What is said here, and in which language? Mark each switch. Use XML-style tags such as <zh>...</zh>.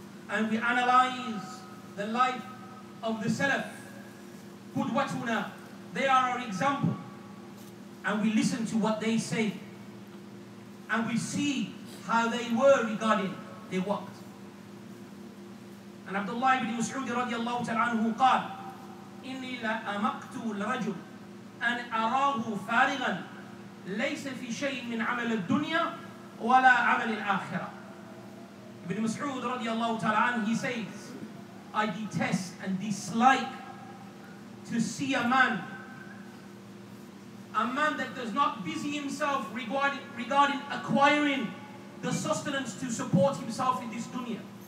<en>And we analyze the life of the Salaf. Qudwatuna. They are our example. And we listen to what they say. And we see how they were regarding their waqt.</en> <ar>عبد الله بن مسعود رضي الله تعالى عنه قال إني لأمقت الرجل أن أراه فارغا ليس في شيء من عمل الدنيا ولا عمل الآخرة.</ar> <en>ابن مسعود</en> <ar>رضي الله تعالى عنه,</ar> <en>he says, I detest and dislike to see a man that does not busy himself regarding acquiring the sustenance to support himself in this dunya.</en>